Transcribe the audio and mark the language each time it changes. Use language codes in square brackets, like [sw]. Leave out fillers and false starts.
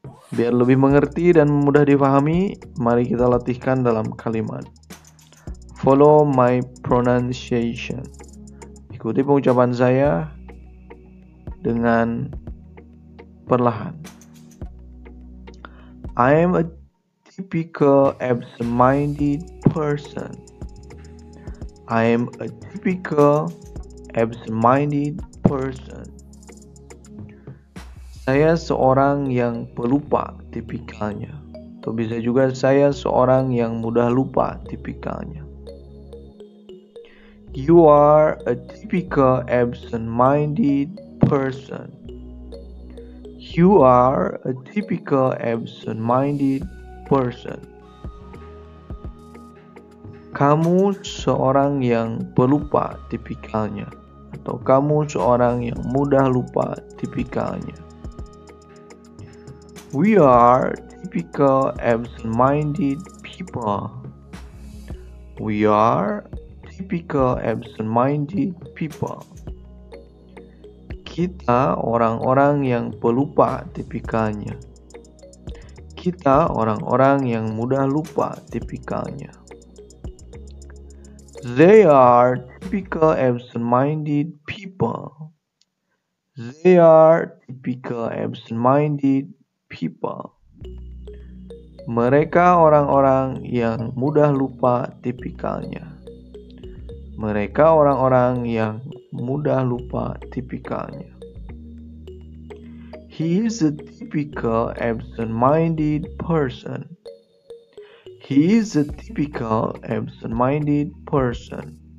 [id] Biar lebih mengerti dan mudah difahami, mari kita latihkan dalam kalimat. [en] Follow my pronunciation. [id] Ikuti pengucapan saya dengan perlahan. [en] I am a typical absent-minded person. I am a typical absent-minded person. [id] Saya seorang yang pelupa tipikalnya. Atau bisa juga saya seorang yang mudah lupa tipikalnya. [en] You are a typical absent-minded person. You are a typical absent-minded person. [id] Kamu seorang yang pelupa tipikalnya. Atau kamu seorang yang mudah lupa tipikalnya. [en] We are typical absent-minded people. We are typical absent-minded people. [id] Kita orang-orang yang pelupa tipikalnya. Kita orang-orang yang mudah lupa tipikalnya. [en] They are typical absent-minded people. They are typical absent-minded people. [id] Mereka orang-orang yang mudah lupa tipikalnya. Mereka orang-orang yang mudah lupa tipikalnya. [en] He is a typical absent-minded person. He is a typical absent-minded person.